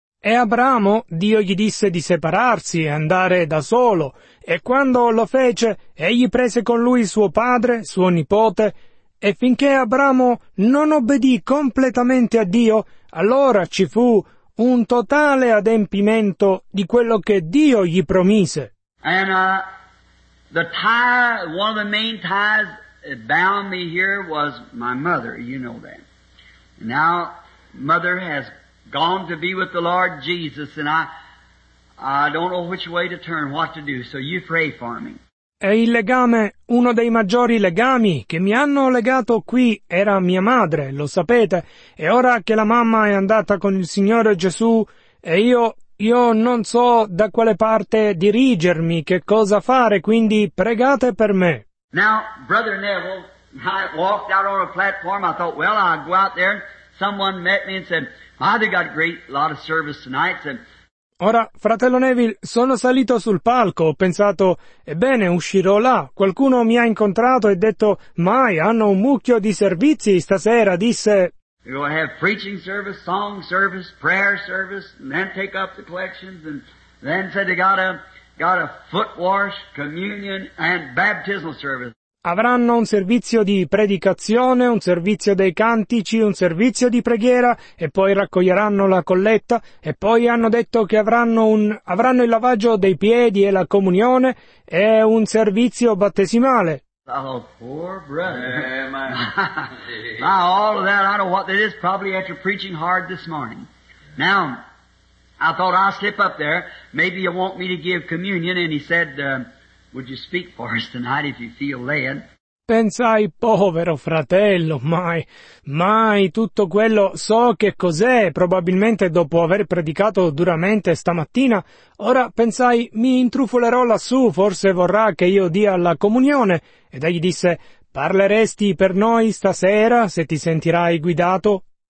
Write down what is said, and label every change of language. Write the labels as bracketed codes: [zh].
[it] E Abramo, Dio gli disse di separarsi e andare da solo, e quando lo fece, egli prese con lui suo padre, suo nipote, e finché Abramo non obbedì completamente a Dio, allora ci fu un totale adempimento di quello che Dio gli promise. [en] And the tie, one of the main ties that bound me here was my mother, you know that. Now, mother has gone to be with the Lord Jesus, and I don't know which way to turn, what to do, so you pray for me. [it] E il legame, uno dei maggiori legami che mi hanno legato qui era mia madre, lo sapete, e ora che la mamma è andata con il Signore Gesù, e io non so da quale parte dirigermi, che cosa fare, quindi pregate per me. [en] Now, brother Neville, I walked out on a platform, I thought, well, I'll go out there, someone met me and said, Father got a great lot of service tonight. [it] Ora, fratello Neville, sono salito sul palco, ho pensato, ebbene, uscirò là. Qualcuno mi ha incontrato e detto, mai, hanno un mucchio di servizi stasera, disse. [en] You will have preaching service, song service, prayer service, and then take up the collections, and then said they got a foot wash, communion, and baptismal service. [it] Avranno un servizio di predicazione, un servizio dei cantici, un servizio di preghiera e poi raccoglieranno la colletta e poi hanno detto che avranno il lavaggio dei piedi e la comunione e un servizio battesimale. [en] Oh, poor brother. Now, all of that, I know what it is probably after preaching hard this morning. Now, I thought I'll slip up there. Maybe you want me to give communion, and he said, would you speak for us tonight if you feel led? [it] Pensai, povero fratello, mai tutto quello so che cos'è, probabilmente dopo aver predicato duramente stamattina. Ora pensai, mi intrufolerò lassù, forse vorrà che io dia la comunione. Ed egli disse, parleresti per noi stasera se ti sentirai guidato?